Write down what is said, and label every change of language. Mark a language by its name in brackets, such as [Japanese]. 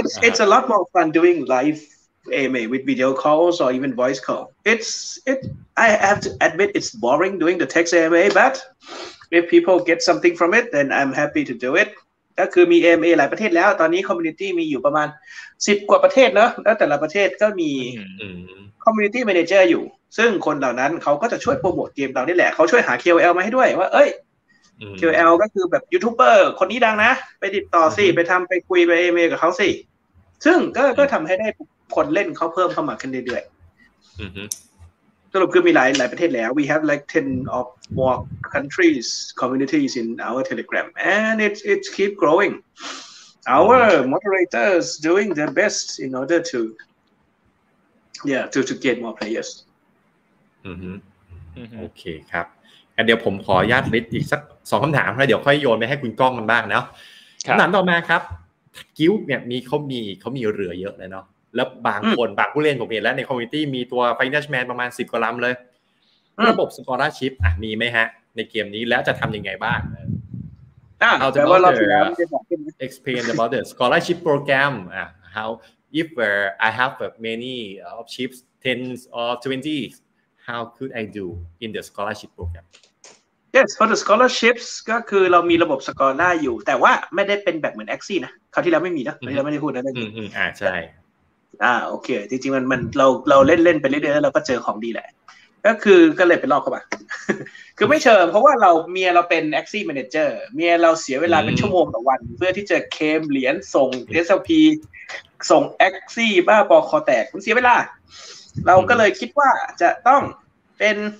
[English] it's a lot more fun doing live AMA with video calls or even voice call. I have to admit it's boring doing the text AMA, but if people get something from it, then I'm happy to do it. [Thai] ก็คือมี AMA หลายประเทศแล้วตอนนี้คอมมูนิตี้มีอยู่ประมาณ10กว่าประเทศเนอะแล้วแต่ละประเทศก็มี community manager อยู่ซึ่งคนเหล่านั้นเขาก็จะช่วยโปรโมทเกมเรานี่แหละเขาช่วยหา KOL มาให้ด้วยว่าเอ้ย KOL ก็คือแบบยูทูบเบอร์คนนี้ดังนะไปติดต่อสิไปทำไปคุยไป AMA กับเขาสิซึ่งก็ทำให้ได้คนเล่นเขาเพิ่มเข้ามาขึ้นเรื่อยๆสรุปคือมีหลายประเทศแล้ว [English] we have like 10 or more countries communities in our Telegram and it keep growing our moderators doing their best in order toyeah to get more players [Thai] โอเคครับเดี๋ยวผมขออนุญาตลิสต์อีกสัก2คำถามแล้วเดี๋ยวค่อยโยนไปให้คุณก้องกันบ้างนะคำถามต่อมาครับกิ้วเนี่ยเขามีเรือเยอะเลยเนาะแล้วบางคนบางผู้เล่นผมเห็นแล้วในคอมมูนิตี้มีตัวไฟนอลแมนประมาณ10กว่าลำเลยระบบสกอร์ชิพอ่ะมีไหมฮะในเกมนี้แล้วจะทำยังไงบ้าง เอาแต่ว่าเราจะ [English] explain about the scholarship program howIf I have many of chips, 10s or 20s, how could I do in the scholarship program? Yes, for the scholarships, [Thai] ก็คือเรามีระบบสกอร์ล่าอยู่แต่ว่าไม่ได้เป็นแบบเหมือน Axie นะคราวที่เราไม่มีนะเราไม่ได้พูดนะเรื่องนี้ใช่ โอเคจริงๆมันเราเล่นไปเรื่อยๆแล้วเราก็เจอของดีแหละก็คือก็เลยไปลอกเข้ามา คือไม่เชิงเพราะว่าเราเมียเราเป็น Axie Manager เมียเราเสียเวลาเป็นชั่วโมงต่อวันเพื่อที่จะเคมเหรียญส่ง SLP ส่ง Axie บ้าปอคอแตกมันเสียเวลาเราก็เลยคิดว่าจะต้องเป็น